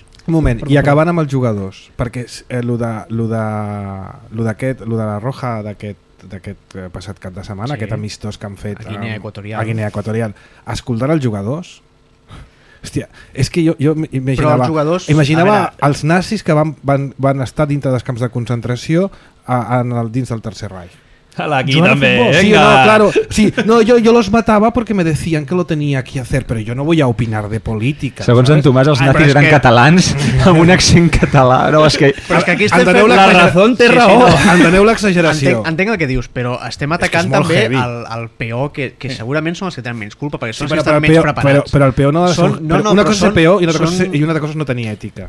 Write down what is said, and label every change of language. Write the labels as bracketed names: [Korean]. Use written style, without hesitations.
[Catalan] Un moment, i acabant amb els jugadors, perquè lo de la Roja d'aquest passat cap de setmana, sí. Aquest amistós que han fet a Guinea Equatorial, escoltant els jugadors, hòstia, és que jo imaginava, els, jugadors, imaginava els nazis que van estar dintre dels camps de concentració dins del Tercer Reich. Aquí també, [Spanish] sí, no, claro, sí, no, yo los mataba porque me decían que lo tenía que hacer, pero yo no voy a opinar de política. [Catalan] Segons en Tomàs, els nazis eren catalans amb un accent català. No, és que... Però és que aquí estem fent la raó. Sí, sí, no. Enteneu l'exageració. Entenc el que dius, però estem atacant també el PO, que segurament són els que tenen menys culpa, perquè són els que estan menys preparats. Però el PO no ha de ser... Una cosa és el PO i una altra cosa és no tenir ètica.